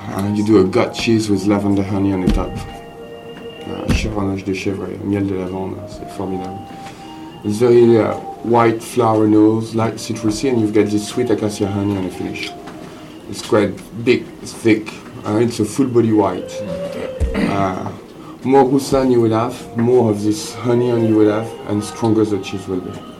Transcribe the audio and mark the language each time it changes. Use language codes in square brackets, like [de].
[en] And you do a goat cheese with lavender honey on the top. [fr] Chevronnage de chèvre, miel de lavande, c'est formidable. [en] It's very white flower nose, light citrusy, and you've got this sweet acacia honey on the finish. It's quite big, it's thick, and it's a full body white. More roussanne you will have, more of this honey on you will have, and stronger the cheese will be.